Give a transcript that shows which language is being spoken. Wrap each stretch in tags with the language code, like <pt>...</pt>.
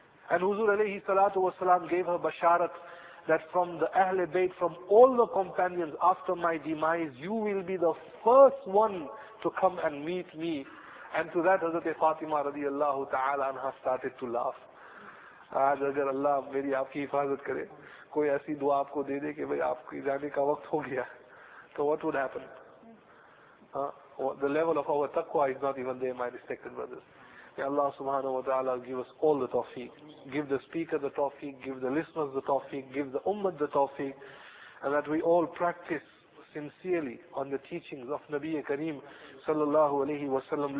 <en>And Huzur alayhi salatu wa salam gave her Basharat that from the Ahl Bayt, from all the companions after my demise, you will be the first one to come and meet me. And to that, Hazrat Fatima radiallahu ta'ala anha started to laugh.</en> <ur>آج اگر اللہ میری آپ کی حفاظت کرے کوئی ایسی دعا آپ کو دے دے کہ بھئی آپ کی جانے کا وقت ہو گیا تو</ur> <en>what would happen? The level of our taqwa is not even there, my respected brothers. May Allah subhanahu wa ta'ala give us all the tawfiq. Give the speaker the tawfiq, give the listeners the tawfiq, give the ummat the tawfiq, and that we all practice sincerely on the teachings of Nabi Kareem sallallahu alayhi wa sallam.</en>